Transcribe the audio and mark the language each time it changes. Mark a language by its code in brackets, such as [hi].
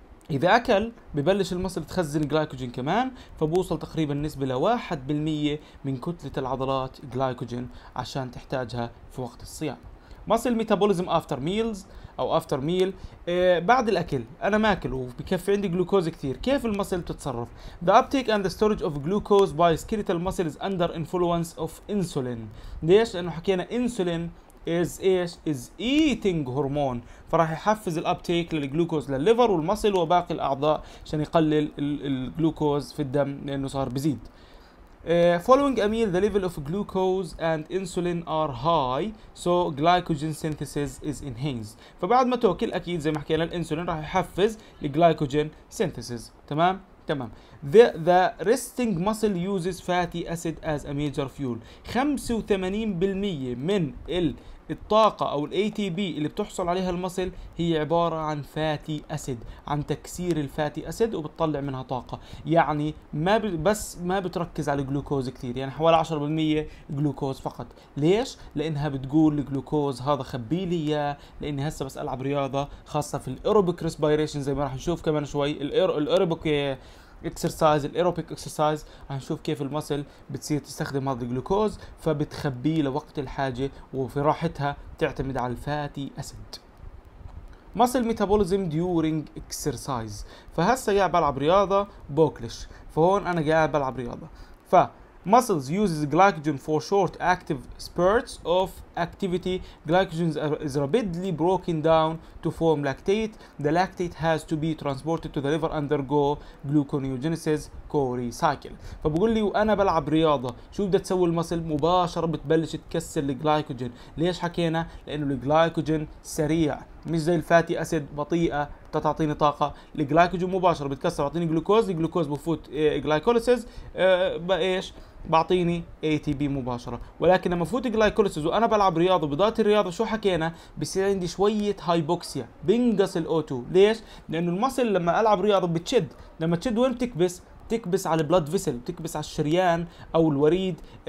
[ar] اذا اكل ببلش المصل تخزن جلايكوجين كمان، فبوصل تقريبا نسبه 1% من كتله العضلات جلايكوجين عشان تحتاجها في وقت الصيام. [en] Muscle metabolism after meals أو after meal، [ar] بعد الأكل أنا ماكل وبكفي عندي جلوكوز كثير، كيف المسل بتتصرف؟ [en] The uptake and the storage of glucose by skeletal muscle is under influence of insulin. [ar] ليش؟ لأنه حكينا [en] insulin is [ar] ايش؟ [en] is eating hormone، [ar] فراح يحفز الأبتيك للجلوكوز للليفر والمسل وباقي الأعضاء عشان يقلل الجلوكوز في الدم لأنه صار بزيد. [en] Following a meal, the level of glucose and insulin are high, so glycogen synthesis is enhanced. [ar] فبعد ما تأكل أكيد زي ما حكينا الإنسولين راح يحفز الجلايكوجين synthesis. تمام؟ تمام. [en] The resting muscle uses fatty acid as a major fuel. [ar] 85% من الطاقة أو الـ ATP اللي بتحصل عليها المسل هي عبارة عن فاتي أسيد، عن تكسير الفاتي أسيد وبتطلع منها طاقة، يعني ما بتركز على الجلوكوز كثير، يعني حوالي 10% جلوكوز فقط. ليش؟ لأنها بتقول الجلوكوز هذا خبي لي إياه لأني هسه بس ألعب رياضة خاصة في الأيروبيك ريسبيريشن زي ما راح نشوف كمان شوي، الأيروبيك اكسرسايز الايروبيك اكسرسايز راح نشوف كيف المسل بتصير تستخدم هذا الجلوكوز فبتخبيه لوقت الحاجه وفي راحتها تعتمد على الفاتي اسيد. [en] muscle metabolism during exercise, [ar] فهسه قاعد بلعب رياضه بوكلش، فهون انا قاعد بلعب رياضه. [en] ف muscles uses glycogen for short active spurts of activity. Glycogen is rapidly broken down to form lactate. The lactate has to be transported to the liver undergo gluconeogenesis Cori cycle. [ar] فبقول لي وانا بلعب رياضه شو بدها تسوي المسل؟ مباشره بتبلش تكسر الجلايكوجين. ليش حكينا؟ لانه الجلايكوجين سريع مش زي الفاتي اسيد بطيئه تعطيني طاقة، الجلايكوجين مباشرة بتكسر بعطيني جلوكوز، الجلوكوز بفوت جلايكوليسيز بايش؟ بعطيني اي تي بي مباشرة، ولكن لما فوت جلايكوليسيز وانا بلعب رياضة بداية الرياضة شو حكينا؟ بصير عندي شوية هايبوكسيا، بنقص الاو 2، ليش؟ لأنه المسل لما العب رياضة بتشد، لما تشد وين بتكبس؟ تكبس على البلاد فيسل، بتكبس على الشريان او الوريد،